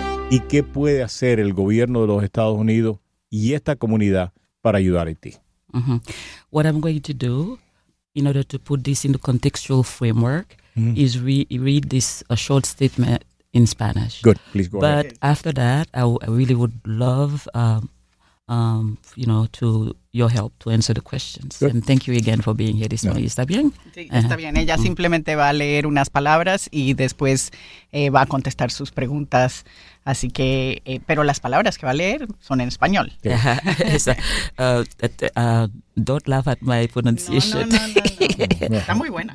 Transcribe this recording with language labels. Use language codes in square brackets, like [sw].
[es] ¿Y qué puede hacer el gobierno de los Estados Unidos y esta comunidad para ayudar a Haití? Uh-huh. [en] What I'm going to do in order to put this in the contextual framework is read this a short statement in Spanish. Good, please go but ahead. But after that, I really would love to your help to answer the questions. Good. And thank you again for being here this morning. [es] ¿Está bien? Sí, está bien. Ella simplemente va a leer unas palabras y después va a contestar sus preguntas. Así que, pero las palabras que va a leer son en español. [en] Don't laugh at my pronunciation. [es] No. Está muy buena.